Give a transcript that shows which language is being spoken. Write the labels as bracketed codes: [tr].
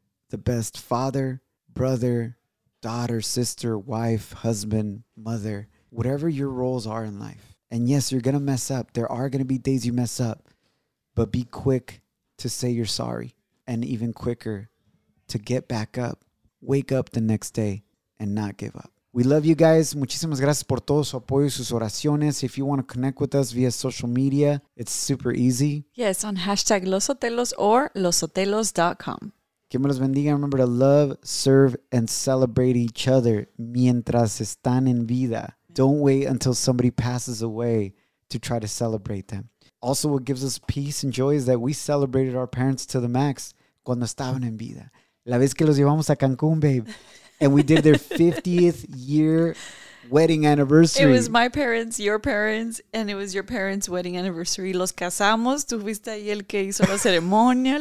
[en] the best father, brother, daughter, sister, wife, husband, mother, whatever your roles are in life. And yes, you're going to mess up. There are going to be days you mess up, but be quick to say you're sorry and even quicker to get back up, wake up the next day and not give up. We love you guys. [es] Muchísimas gracias por todo su apoyo y sus oraciones. [en] If you want to connect with us via social media, it's super easy. Yes, on hashtag losotelos or losotelos.com. [es] Que me los bendiga. [en] Remember to love, serve, and celebrate each other [es] mientras están en vida. [en] Don't wait until somebody passes away to try to celebrate them. Also, what gives us peace and joy is that we celebrated our parents to the max [es] cuando estaban en vida. La vez que los llevamos a Cancún, babe. [en] And we did their 50th year wedding anniversary. It was my parents, your parents, and it was your parents' wedding anniversary. [es] Los casamos. Tú fuiste ahí el que hizo la ceremonia.